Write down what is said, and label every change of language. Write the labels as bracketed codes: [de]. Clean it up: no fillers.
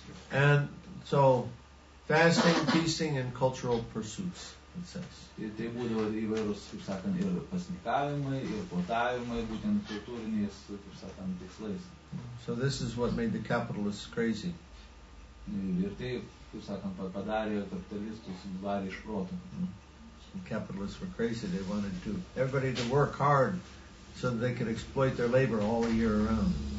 [en] And so, fasting, feasting, and cultural pursuits, it says. [lt] Ir tai būdavo įvairūs, kaip sakant, ir pasninkavimai, ir puotavimai, būtent kultūriniais, kaip sakant, tikslais. [en] So this is what made the capitalists crazy. [lt] Ir tai, kaip sakant, padarė kapitalistus varė iš proto. [en] Okay. capitalists were crazy. They wanted to everybody to work hard so that they could exploit their labor all year around.